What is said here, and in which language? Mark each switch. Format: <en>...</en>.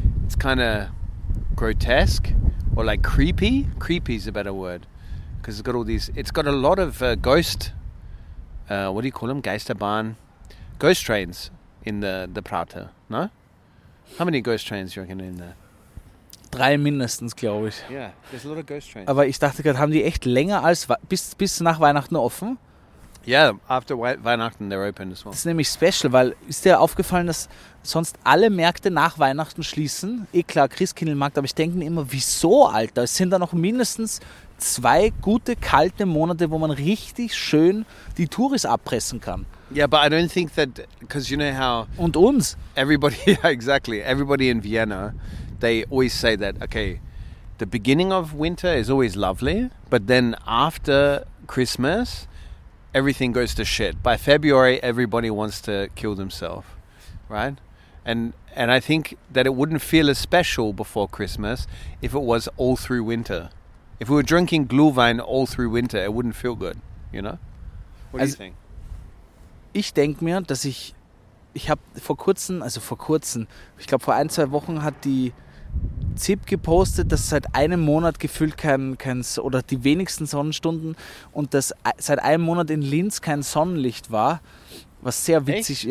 <en>It's kind of grotesque or like creepy. Creepy is a better word. Because it's got all these, it's got a lot of ghost, what do you call them? Geisterbahn. Ghost trains in the Prater, no? How many ghost trains you reckon in there?</en> <de>3 mindestens, glaube ich.</de> <en>Yeah, there's a lot of ghost trains.</en> <de>Aber ich dachte gerade, haben die echt länger als bis nach Weihnachten offen?</de> <en>Yeah, after Weihnachten they're open as well.</en> <de>Das ist nämlich special, weil ist dir aufgefallen, dass sonst alle Märkte nach Weihnachten schließen? Eh klar, Christkindlmarkt, aber ich denke mir immer, wieso, Alter? Es sind da noch mindestens 2 gute kalte Monate, wo man richtig schön die Touris abpressen kann.</de> <en>Yeah, but I don't think that, because you know how...</en> <de>Und uns.</de> <en>Everybody, yeah, exactly. Everybody in Vienna, they always say that, okay, the beginning of winter is always lovely, but then after Christmas, everything goes to shit. By February, everybody wants to kill themselves, right? And I think that it wouldn't feel as special before Christmas if it was all through winter. If we were drinking Glühwein all through winter, it wouldn't feel good, you know? What do you think?</en> <de>Ich denke mir, dass ich habe vor kurzem, ich glaube vor 1-2 Wochen hat die Zip gepostet, dass seit einem Monat gefühlt kein oder die wenigsten Sonnenstunden und dass seit einem Monat in Linz kein Sonnenlicht war, was sehr witzig,</de>